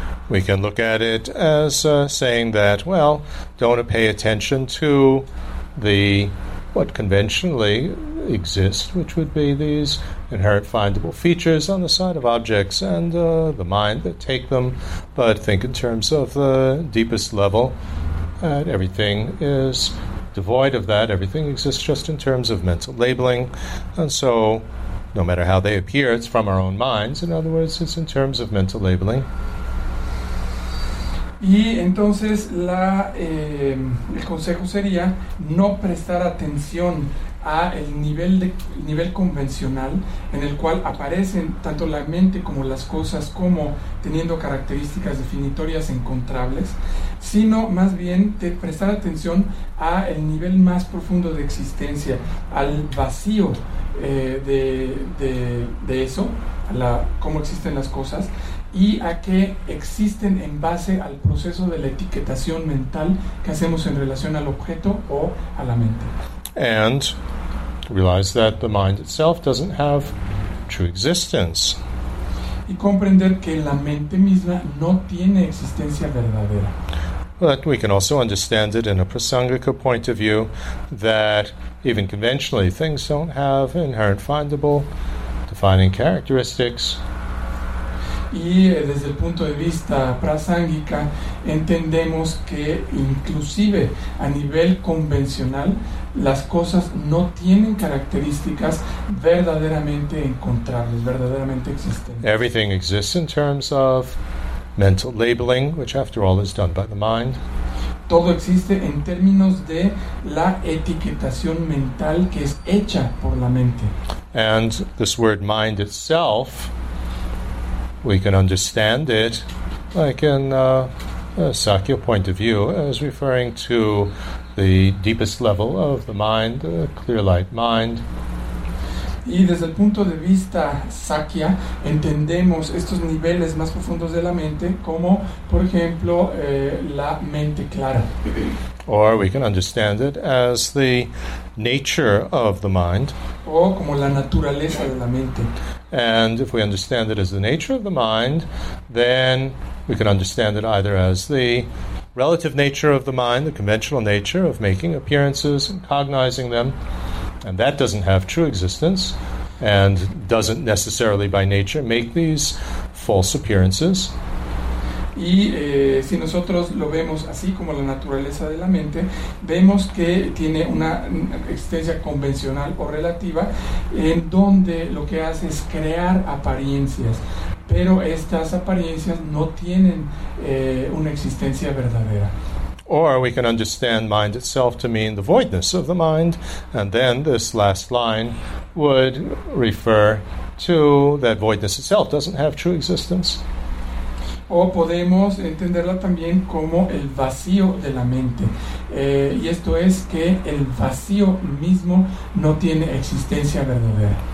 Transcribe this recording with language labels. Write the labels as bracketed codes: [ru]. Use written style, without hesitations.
[en] We can look at it as saying that, well, don't pay attention to the what conventionally exists, which would be these inherent findable features on the side of objects and the mind that take them, but think in terms of the deepest level, that everything is devoid of that, everything exists just in terms of mental labeling, and so no matter how they appear, it's from our own minds. In other words, it's in terms of mental labeling. [es] Y entonces el consejo sería no prestar atención a el nivel convencional en el cual aparecen tanto la mente como las cosas como teniendo características definitorias encontrables, sino más bien prestar atención a el nivel más profundo de existencia, al vacío de eso, a la cómo existen las cosas, y a que existen en base al proceso de la etiquetación mental que hacemos en relación al objeto o a la mente. [en] And realize that the mind itself doesn't have true existence. [es] Y comprender que la mente misma no tiene existencia verdadera. [en] But we can also understand it in a prasangika point of view, that even conventionally things don't have inherent findable defining characteristics. [es] Y desde el punto de vista prasángica entendemos que inclusive a nivel convencional las cosas no tienen características verdaderamente encontrables, verdaderamente existentes. [en] Everything exists in terms of mental labeling, which after all is done by the mind. [es] Todo existe en términos de la etiquetación mental que es hecha por la mente. [en] And this word mind itself, we can understand it, like in a Sakya point of view, as referring to the deepest level of the mind, the clear light mind. [es] Y desde el punto de vista Sakya, entendemos estos niveles más profundos de la mente como, por ejemplo, la mente clara. [en] Or we can understand it as the nature of the mind. [es] O como la naturaleza de la mente. [en] And if we understand it as the nature of the mind, then we can understand it either as the relative nature of the mind, the conventional nature of making appearances and cognizing them, and that doesn't have true existence and doesn't necessarily by nature make these false appearances. [es] Y si nosotros lo vemos así como la naturaleza de la mente, vemos que tiene una existencia convencional o relativa en donde lo que hace es crear apariencias, pero estas apariencias no tienen una existencia verdadera. [en] Or we can understand mind itself to mean the voidness of the mind, and then this last line would refer to that voidness itself doesn't have true existence. [es] O podemos entenderla también como el vacío de la mente. Y esto es que el vacío mismo no tiene existencia verdadera.